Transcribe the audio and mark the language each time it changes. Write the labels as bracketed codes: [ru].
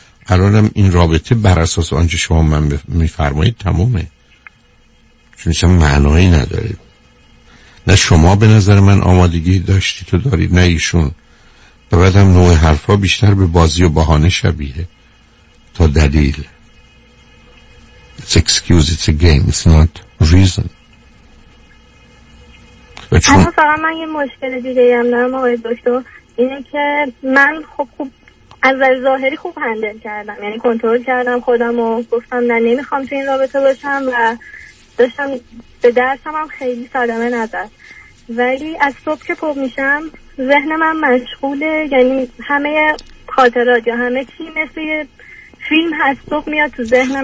[fa] الانم این رابطه بر اساس آنچه شما من می‌فرمایید تمومه، چون اصلا معنایی نداره. نه شما به نظر من آمادگی داشتی تو دارید، نه ایشون. بعدم نوع حرفا بیشتر به بازی و بهانه شبیه تا دلیل. [en] It's excuse, it's a game, it's not reason. [fa] اما فقط من یه مشکل دیگه هم دارم آقای دکتر، اینه که من خوب از ظاهری خوب هندل کردم، یعنی کنترل کردم خودم و گفتم نه نمیخوام تو این رابطه باشم و داشتم به درسم هم خیلی صدمه نزد، ولی از صبح که پر میشم ذهن من مشغوله، یعنی همه خاطرات یا همه چی مثل یه فیلم هست، صبح میاد تو ذهنم.